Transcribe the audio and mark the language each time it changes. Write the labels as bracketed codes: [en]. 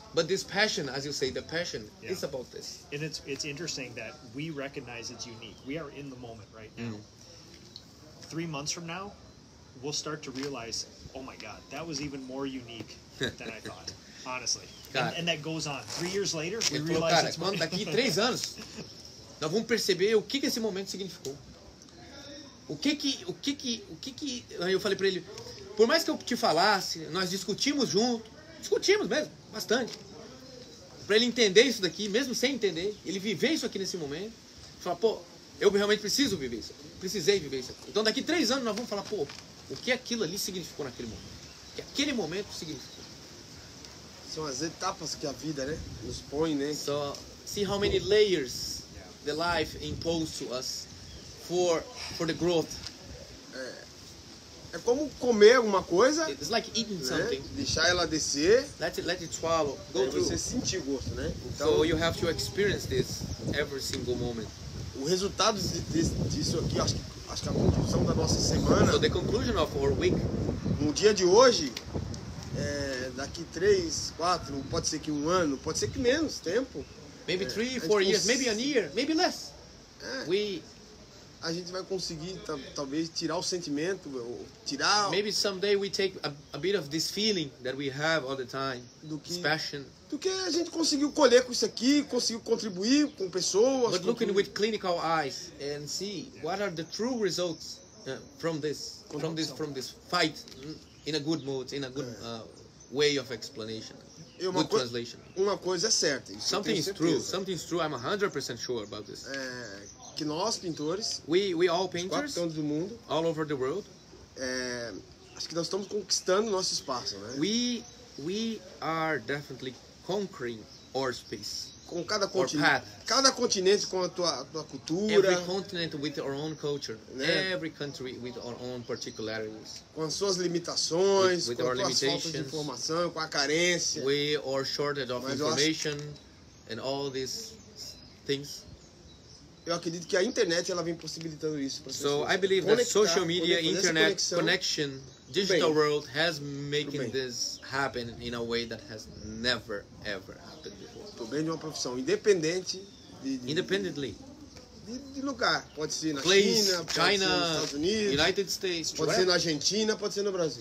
[en] But this passion, as you say, the passion is about this. And it's interesting that we recognize it's unique. We are in the moment right now. 3 months from now, we'll start to realize, oh my God, that was even more unique than I thought, honestly. And that goes on. 3 years later, we realize it's more. [pt] Daqui 3 anos, nós vamos perceber o que esse momento significou. Eu falei pra ele, por mais que eu te falasse, nós discutimos junto, discutimos mesmo, bastante. Pra ele entender isso daqui, mesmo sem entender, ele viver isso aqui nesse momento, falar, pô, eu realmente preciso viver isso. Precisei viver isso. Então daqui 3 anos nós vamos falar, pô, o que aquilo ali significou naquele momento? O que aquele momento significou? São as etapas que a vida, né, nos põe, né? [en] So, see how many layers the life imposed to us for the growth. [pt] É como comer alguma coisa. [en] It's like eating, [pt] né, [en] something. [pt] Deixar ela descer. [en] Let it swallow. Go through. [pt] Você sentir gosto, né? [en] Então, so you have to experience this every single moment. [pt] O resultado disso aqui, acho que a conclusão da nossa semana. [en] So the conclusion of our week. [pt] No dia de hoje, daqui 3, 4, pode ser que 1 ano, pode ser que menos tempo. [en] Maybe 3, 4 years, maybe a year, maybe less. [pt] A gente vai conseguir talvez tirar o sentimento, tirar. [en] Maybe someday we take a bit of this feeling that we have all the time. This passion. [pt] Do que a gente conseguiu colher com isso aqui, conseguiu contribuir com pessoas. [en] But looking with clinical eyes and see what are the true results from this fight in a good mood, in a good way of explanation. Good translation. [pt] Uma coisa é certa. [en] Something is true. Something is true. I'm 100% sure about this. [pt] Que nós pintores, [en] we all painters, [pt] cantos do mundo, [en] all over the world, [pt] acho que nós estamos conquistando nosso espaço, né? [en] We are definitely conquering our space. [pt] Com cada continente, com a tua cultura. [en] Every continent with our own culture. Né? Every country with our own particularities. [pt] Com as suas limitações, com as suas faltas de informação, com a carência. [en] With our shortage of information and all these things. [pt] Eu acredito que a internet ela vem possibilitando isso para vocês. [en] So I believe that social media, internet connection, digital world has making this happen in a way that has never ever happened before. [pt] Tô bem de uma profissão independente [en] independently. [pt] De lugar, pode ser na China, pode ser nos Estados Unidos, [en] United States, [pt] pode ser na Argentina, pode ser no Brasil.